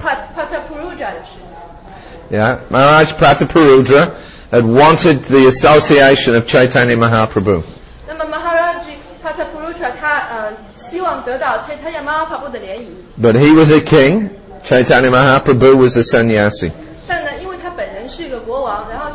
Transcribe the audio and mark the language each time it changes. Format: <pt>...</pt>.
<zh>Prataparudra 的事。</zh> <en>Yeah, Maharaj Prataparudra had wanted the association of Chaitanya Mahaprabhu.</en> <zh>那么 Maharaj Prataparudra 他希望得到 Chaitanya Mahaprabhu 的联谊。</zh> <en>But he was a king, Chaitanya Mahaprabhu was a sannyasi.</en> <zh>但呢，因为他本人是一个国王，然后</zh>